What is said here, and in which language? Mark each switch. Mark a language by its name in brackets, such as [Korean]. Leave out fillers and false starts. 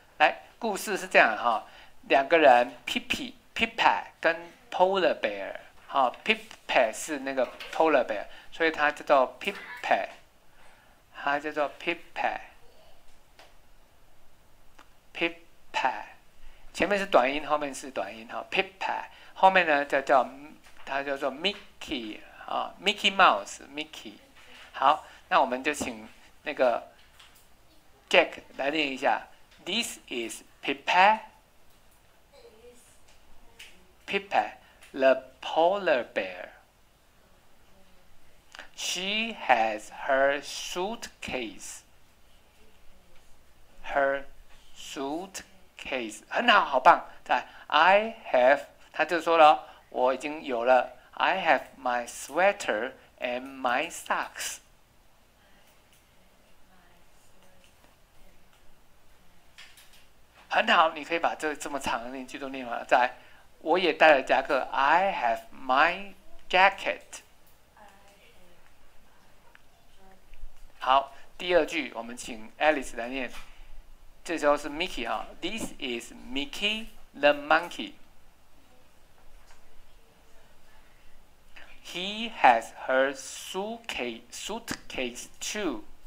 [Chinese] 来，故事是这样哈，两个人 Pippa 跟 Polar Bear 哈，Pippa 是那个 Polar Bear，所以它叫做 Pippa。 Pippa，前面是短音，后面是短音哈。 Pippa，后面呢叫做 Mickey 啊，Mickey Mouse，Mickey。好，那我们就请那个 Jack 来念一下。 [English] This is Pippa. Pippa, the polar bear. She has her suitcase. Her suitcase [Chinese] 很好，好棒！再来， [English] I have， [Chinese] 他就说了，我已经有了。 [English] I have my sweater and my socks。 [Chinese] 很好，你可以把这么长的那句都念完了。再来，我也带了夹克。 [English] I have my jacket。 [Chinese] 好，第二句我们请 Alice 来念。这时候是 Mickey 哈， [English] This is Mickey the monkey. He has her suitcase too.